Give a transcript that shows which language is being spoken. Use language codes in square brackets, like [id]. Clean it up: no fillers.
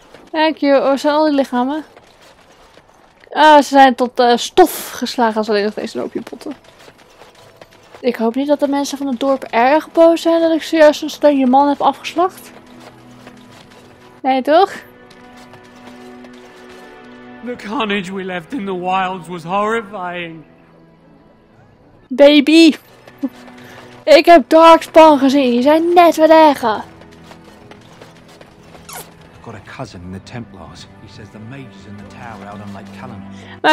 [en] Thank you, [nl] waar zijn al die lichamen? Ze zijn tot stof geslagen als alleen nog deze hoopje potten. Ik hoop niet dat de mensen van het dorp erg boos zijn dat ik zojuist een strenge man heb afgeslacht. Nee, toch? [en] The carnage we left in the wilds was horrifying. Baby! [nl] Ik heb Darkspawn gezien, die zijn net wat erger. [en] I've got a cousin in the Templars. He says the mages in the tower held on like Kalanos.